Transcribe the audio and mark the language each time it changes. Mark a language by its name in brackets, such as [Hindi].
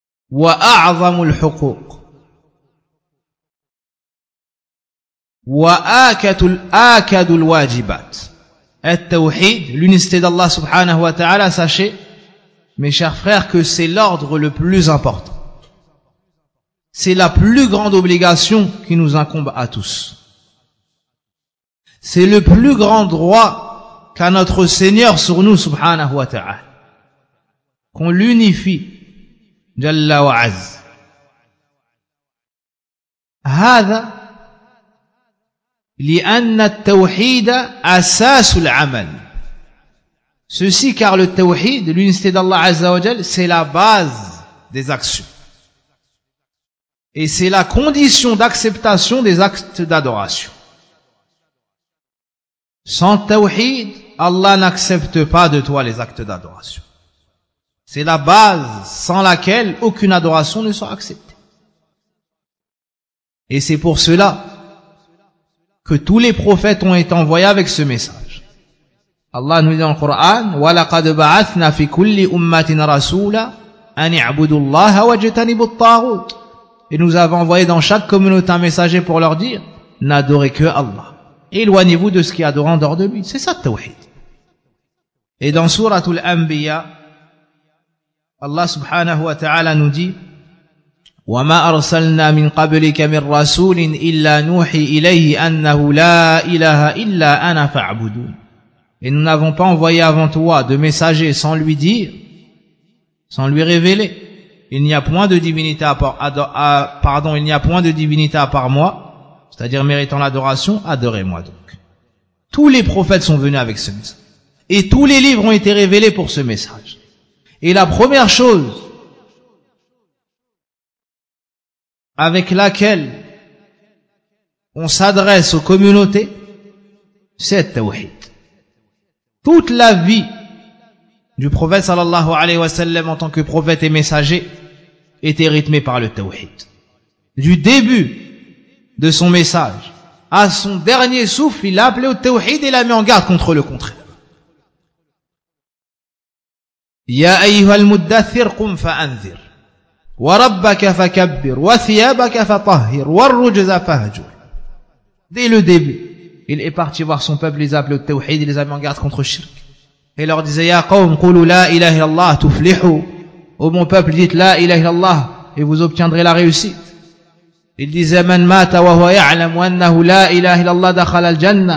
[Arabic] وأعظم الحقوق وآكد الآكد الواجبات. [French] التوحيد, l'unicité d'Allah subhanahu wa ta'ala, sachez mes chers frères que c'est l'ordre le plus important, c'est la plus grande obligation qui nous incombe à tous, c'est le plus grand droit qu'a notre Seigneur sur nous subhanahu wa ta'ala, qu'on l'unifie [Arabic] جل وعز. هذا لأن التوحيد أساس العمل. [French] Ceci car le tawhid, l'unicité d'Allah Azza wa Jal, c'est la base des actions. Et c'est la condition d'acceptation des actes d'adoration. Sans tawhid, Allah n'accepte pas de toi les actes d'adoration. C'est la base sans laquelle aucune adoration ne sera acceptée. Et c'est pour cela que tous les prophètes ont été envoyés avec ce message. Allah nous dit dans le Coran, [Arabic] وَلَقَدْ بَعَثْنَا فِي كُلِّ أُمَّةٍ رَسُولًا أَنِ اعْبُدُوا اللَّهَ وَاجْتَنِبُوا الطَّاغُوتَ. [French] Et nous avons envoyé dans chaque communauté un messager pour leur dire, n'adorez que Allah. Éloignez-vous de ce qui est adorant dehors de lui. C'est ça le tawhid. Et dans Surat Al-Anbiya, Allah subhanahu wa ta'ala nous dit, [Arabic] وَمَا أَرْسَلْنَا مِنْ قَبْلِكَ مِنْ رَسُولٍ إِلَّا نُوحِي إِلَيْهِ أَنَّهُ لَا إِلَهَ إِلَّا أَنَا فَعْبُدُونَ. [French] Et nous n'avons pas envoyé avant toi de messager sans lui dire, sans lui révéler, il n'y a point de divinité à part moi, c'est-à-dire méritant l'adoration, adorez-moi donc. Tous les prophètes sont venus avec ce message. Et tous les livres ont été révélés pour ce message. Et la première chose avec laquelle on s'adresse aux communautés, c'est le tawhid. Toute la vie du prophète sallallahu alayhi wa sallam en tant que prophète et messager était rythmée par le tawhid. Du début de son message à son dernier souffle, il a appelé au tawhid et l'a mis en garde contre le contraire. [Arabic] يا أيها المدثر قم فأنذر وربك فكبر وثيابك فطهر والرجز فهجر. [French] Dès le début, il est parti voir son peuple, les appelait au tawhid, les avait en garde contre le shirk. Et leur disait, [Arabic] يا قوم قولوا لا إله إلا الله تفلحوا. [French] Ô mon peuple, dites [Arabic] لا إله إلا الله [French] et vous obtiendrez la réussite. Il disait, [Arabic] من مات وهو يعلم أنه لا إله إلا الله دخل الجنة.